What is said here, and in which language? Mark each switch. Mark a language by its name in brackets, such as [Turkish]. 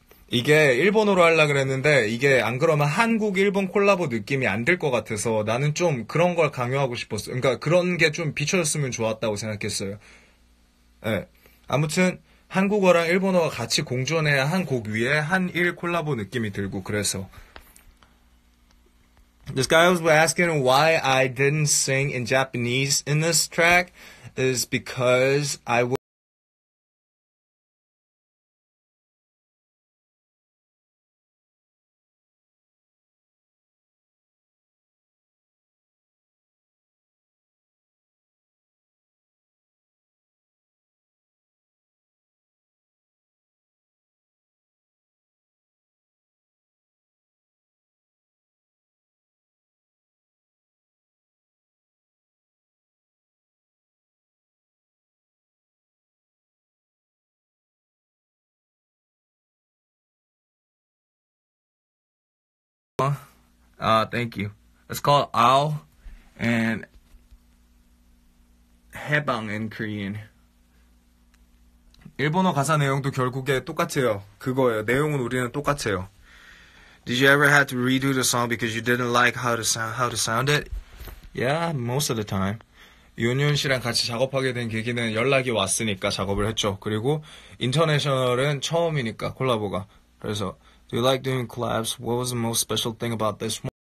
[Korean] 이게 일본어로 하려고 그랬는데, 이게 안 그러면 한국 일본 콜라보 느낌이 안 들 것 같아서 나는 좀 그런 걸 강요하고 싶었어. 그러니까 그런 게 좀 비춰졌으면 좋았다고 생각했어요. 예. 아무튼 한국어랑 일본어가 같이 공존해야 한 곡 위에 한일 콜라보 느낌이 들고 그래서. [English] This guy was asking why I didn't sing in Japanese in this track is because I was... thank you. It's called Ao and Hebang in Korean. [Korean] 일본어 가사 내용도 결국에 똑같아요. 그거예요. 내용은 우리는 똑같아요. [English] Did you ever have to redo the song because you didn't like how it sounded? Yeah, most of the time. [Korean] 윤윤 씨랑 같이 작업하게 된 계기는 연락이 왔으니까 작업을 했죠. 그리고 인터내셔널은 처음이니까 콜라보가. 그래서 [English] Do you like doing collabs? What was the most special thing about this one?